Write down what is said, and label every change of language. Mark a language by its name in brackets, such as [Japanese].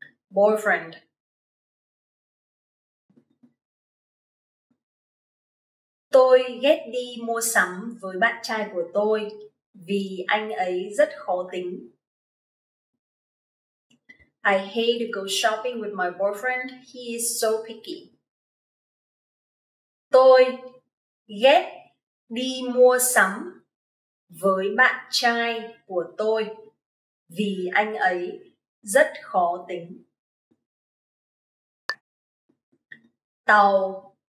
[English] Boyfriend. [Vietnamese] Tôi ghét đi mua sắm với bạn trai của tôi vì anh ấy rất khó tính. [English] I hate to go shopping with my boyfriend. He is so picky. [Vietnamese] Tôi ghét đi mua sắm với bạn trai của tôi vì anh ấy rất khó tính. tàu,